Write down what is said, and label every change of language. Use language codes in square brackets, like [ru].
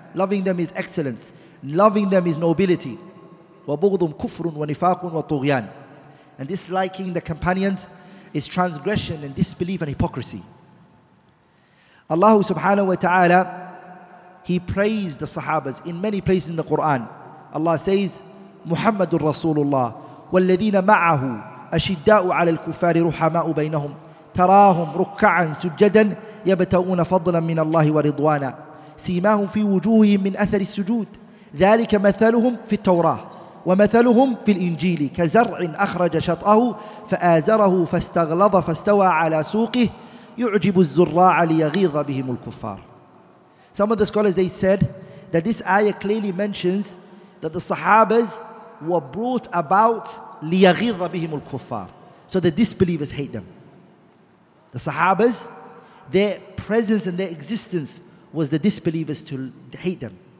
[en] Loving them is excellence. Loving them is nobility. [ar] وَبُغْضُهُمْ كُفْرٌ وَنِفَاقٌ وَطُغْيَانٌ. [en] And disliking the companions is transgression and disbelief and hypocrisy. Allah subhanahu wa ta'ala, He praised the Sahabas in many places in the Quran. Allah says, [ar] مُحَمَّدٌ رَسُولُ اللَّهِ وَالَّذِينَ مَعَهُ أَشِدَّاءُ عَلَى الْكُفَّارِ رُحَمَاءُ بَيْنَهُمْ تَرَاهُمْ رُكَّعًا سُجَّدًا يبتغون فضلا من الله ورضوانا سيماهم في وجوههم من أثر السجود ذلك مثلهم في التوراة ومثلهم في الإنجيل كزرع أخرج شطأه فآزره فاستغلظ فاستوى على سوقه يعجب الزراع ليغيظ بهم الكفار. [en] Some of the scholars, they said that this ayah clearly mentions that the Sahabas were brought about [ar] ليغيظ بهم الكفار, [en] so the disbelievers hate them. The Sahabas, their presence and their existence was the disbelievers to hate them.